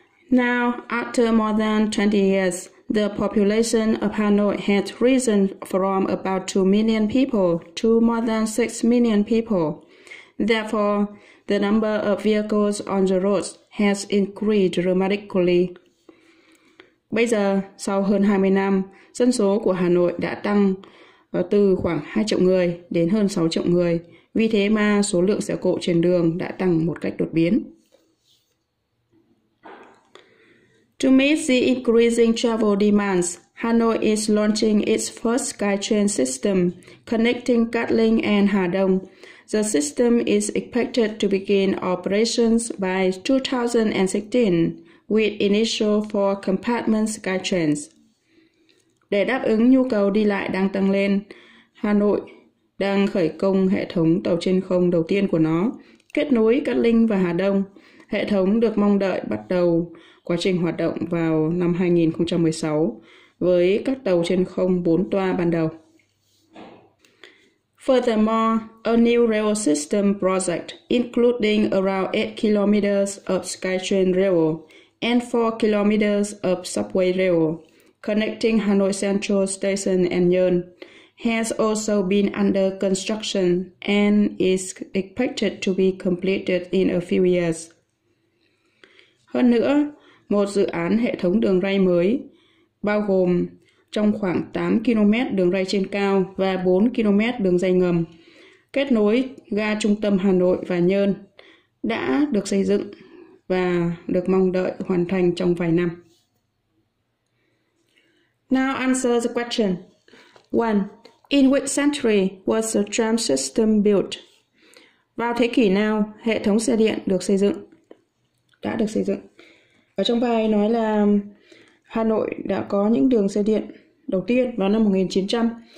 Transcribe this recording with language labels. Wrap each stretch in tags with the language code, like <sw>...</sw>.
<en>Now, after more than 20 years, the population of Hanoi had risen from about 2 million people to more than 6 million people. Therefore, the number of vehicles on the roads has increased dramatically.</en> <vi>Bây giờ, sau hơn 20 năm, dân số của Hà Nội đã tăng từ khoảng 2 triệu người đến hơn 6 triệu người. Vì thế mà số lượng xe cộ trên đường đã tăng một cách đột biến.</vi> <en>To meet the increasing travel demands, Hanoi is launching its first skytrain system connecting Cát Linh and Hà Đông. The system is expected to begin operations by 2016 with initial 4-compartment skytrains.</en> <vi>Để đáp ứng nhu cầu đi lại đang tăng lên, Hà Nội đang khởi công hệ thống tàu trên không đầu tiên của nó, kết nối Cát Linh và Hà Đông. Hệ thống được mong đợi bắt đầu quá trình hoạt động vào năm 2016 với các tàu trên không 4 toa ban đầu.</vi> <en>Furthermore, a new rail system project, including around 8 kilometers of SkyTrain rail and 4 kilometers of subway rail, connecting Hanoi Central Station and Nhơn, has also been under construction and is expected to be completed in a few years.</en> <vi>Hơn nữa, một dự án hệ thống đường ray mới bao gồm trong khoảng 8 km đường ray trên cao và 4 km đường ray ngầm kết nối ga trung tâm Hà Nội và Nhơn đã được xây dựng và được mong đợi hoàn thành trong vài năm.</vi> <en>Now answer the question. 1. In which century was the tram system built?</en> <vi>Vào thế kỷ nào hệ thống xe điện được xây dựng? Đã được xây dựng. Ở trong bài nói là Hà Nội đã có những đường xe điện đầu tiên vào năm 1900.</vi>